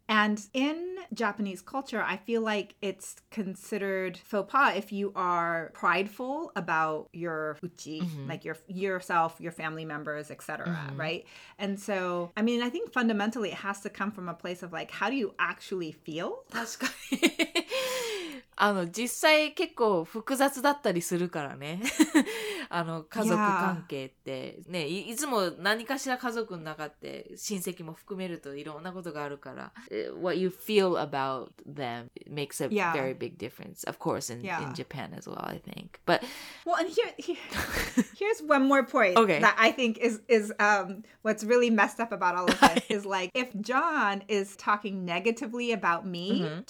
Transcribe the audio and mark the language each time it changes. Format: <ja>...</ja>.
<en>And in Japanese culture, I feel like it's considered faux pas if you are prideful about your uchi, mm-hmm. like yourself, your family members, etc., mm-hmm. right? And so, I mean, I think fundamentally it has to come from a place of like, how do you actually feel?</en> <ja>確かに。あの、実際結構複雑だったりするからね。あの、家族関係って、ね、いつも何かしら家族の中って親戚も含めるといろんなことがあるから。</ja> <en>What you feel about them makes a very big difference, of course, in Japan as well, I think. But, well, and here's one more point that I think is what's really messed up about all of this is like, if John is talking negatively about me mm-hmm.</en>